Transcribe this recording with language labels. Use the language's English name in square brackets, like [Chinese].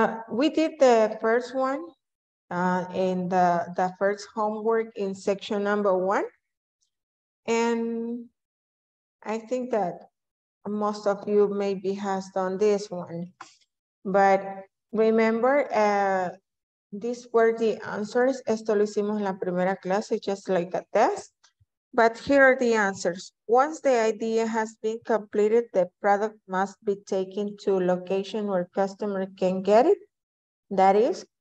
[English] We did the first one in the first homework in section number one. And I think that most of you maybe has done this one. But remember, these were the answers. [Spanish] Esto lo hicimos en la primera clase, [English] just like a test. But here are the answers. Once the idea has been completed, the product must be taken to a location where customer can get it. That is,